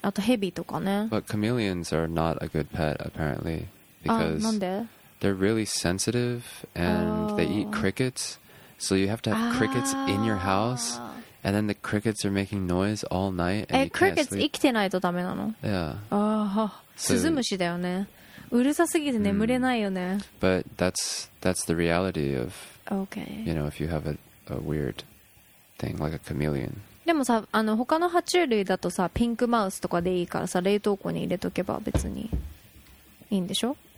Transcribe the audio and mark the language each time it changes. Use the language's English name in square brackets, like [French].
[Japanese] Atto hebi toka ne. [English] But chameleons are not a good pet, apparently. Because they're really sensitive and they eat crickets. So you have to have crickets in your house, and then the crickets are making noise all night. [Japanese] Crickets 生きてないとダメなの? [English] Yeah. [Japanese] スズムシだよね. うるさすぎて眠れないよね. [English] But that's the reality of, you know, if you have a weird thing like a chameleon. [Japanese] でもさ、他の爬虫類だとさ, pink mouse とかでいいからさ, 冷凍庫に入れとけば別にいいんでしょ?